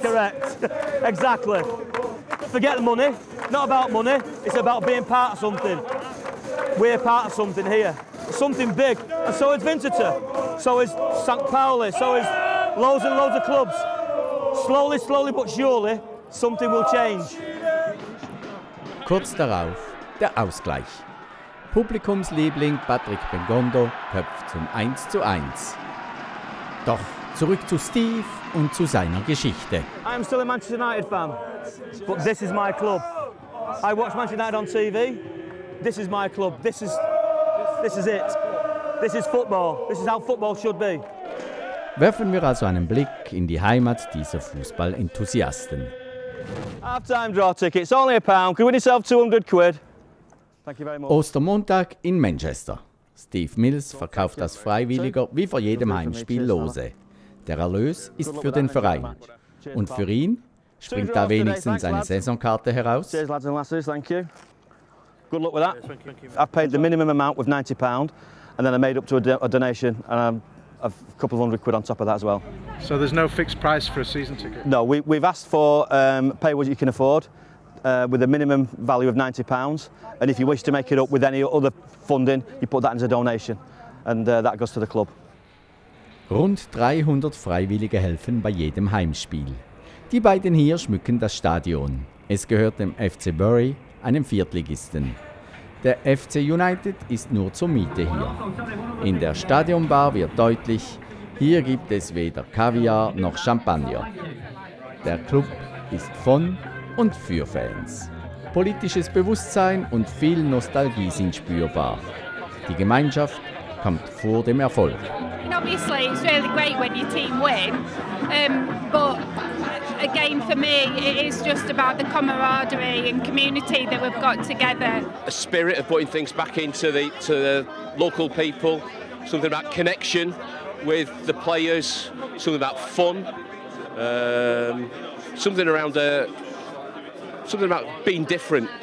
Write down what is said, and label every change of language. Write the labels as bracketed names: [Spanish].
[English] Correct. Exactly. Forget the money. Not about money. It's about being part of something. We're part of something here. Something big. And so is Winterthur. So is St. Pauli. So is loads and loads of clubs. Slowly, slowly but surely, something will change. [German] Kurz darauf der Ausgleich. Publikumsliebling Patrick Bengondo köpft zum 1:1. Doch zurück zu Steve und zu seiner Geschichte. [English] I am still a Manchester United fan, but this is my club. I watch Manchester United on TV. This is my club. This is it. This is football. This is how football should be. [German] Werfen wir also einen Blick in die Heimat dieser Fußballenthusiasten. [English] Halftime draw tickets, only a pound. Can you win yourself 200 quid? Thank you very much. [German] Ostermontag in Manchester. Steve Mills verkauft als Freiwilliger wie vor jedem Heimspiel Lose. Der Erlös ist für den Verein. Und für ihn springt da wenigstens eine Saisonkarte heraus. [English] Cheers, lads and lasses, thank you. Good luck with that. I've paid the minimum amount with £90 and then I made up to a donation and a couple of hundred quid on top of that as well. So there's no fixed price for a season ticket? No, we've asked for pay what you can afford with a minimum value of £90. And if you wish to make it up with any other funding, you put that as a donation and that goes to the club. [German] Rund 300 Freiwillige helfen bei jedem Heimspiel. Die beiden hier schmücken das Stadion. Es gehört dem FC Bury, einem Viertligisten. Der FC United ist nur zur Miete hier. In der Stadionbar wird deutlich, hier gibt es weder Kaviar noch Champagner. Der Club ist von und für Fans. Politisches Bewusstsein und viel Nostalgie sind spürbar. Die Gemeinschaft kommt vor dem Erfolg. [English] Obviously, it's really great when your team win, but again, for me, it is just about the camaraderie and community that we've got together. A spirit of putting things back into the local people, something about connection with the players, something about fun, something about being different.